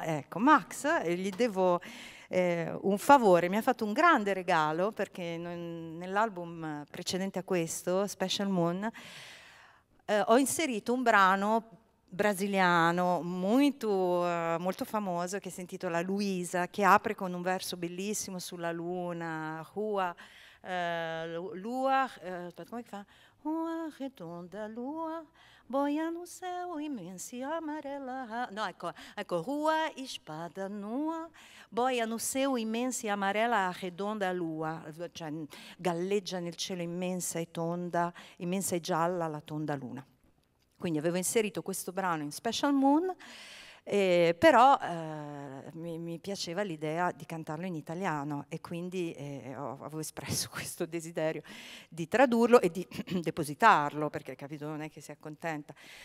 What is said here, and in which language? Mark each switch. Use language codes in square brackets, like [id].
[it] Ecco, Max, gli devo un favore, mi ha fatto un grande regalo perché nell'album precedente a questo, Special Moon, ho inserito un brano brasiliano molto famoso che si intitola Luisa, che apre con un verso bellissimo sulla luna, come fa? [pt] Uma redonda lua boia no céu imensa e amarela. [it] No, ecco, [pt] rua espada nua boia no céu imensa e amarela a redonda lua, [it] cioè galleggia nel cielo immensa e tonda, immensa e gialla la tonda luna. Quindi avevo inserito questo brano in Special Moon, però mi piaceva l'idea di cantarlo in italiano e quindi avevo espresso questo desiderio di tradurlo e di depositarlo, perché capito, non è che si accontenta.